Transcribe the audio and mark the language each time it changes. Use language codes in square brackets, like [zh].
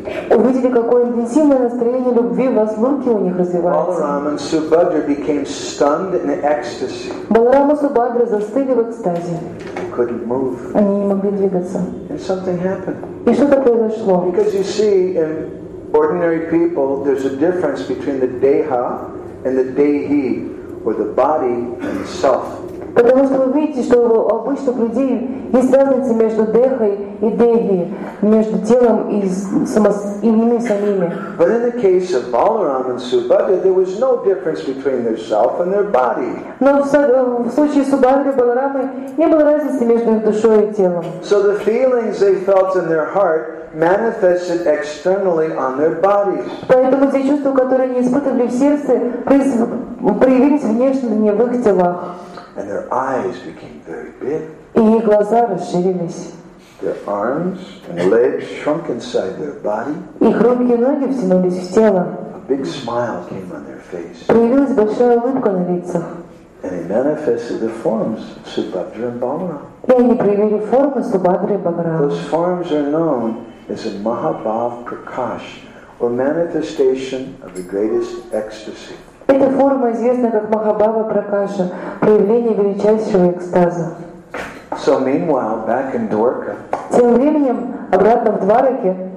[ru] увидели, какое интенсивное настроение любви в разлуке у них развивается. Баларама и Субхадра застыли в экстазе. Они не могли двигаться. [en] And something happened. [ru] И что-то произошло. [en] Because you see, in ordinary people, there's a difference between the deha and the dehi. Or the body and self. [ru] Потому что вы видите, что у обычных людей есть разница между дехой и деги, между телом и ними самими. [en] But in the case of Balaram and Subhadra, there was no difference between their self and their body. [ru] Но в случае Субхадры и Баларамы не было разницы между их душой и телом. [en] So the feelings they felt in their heart manifested externally on their bodies. [ru] Поэтому те чувства, которые они испытывали в сердце, проявились внешне в их телах. [en] And their eyes became very big. [ru] И их глаза расширились. [en] Their arms and legs shrunk inside their body. [ru] Их руки и ноги втянулись в тело. [en] A big smile came on their face. [ru] Появилась большая улыбка на лицах. [en] And they manifested the forms of Subhadra and Balaram. [ru] И они проявили формы Субхадры и Баларамы. [en] Those forms are known as a Mahabhav Prakash, or manifestation of the greatest ecstasy. [ru] Эта форма известна как Махабава Пракаша, проявление величайшего экстаза. [en] So meanwhile, back in Dwarka. [ru] Тем временем, обратно в Двараке.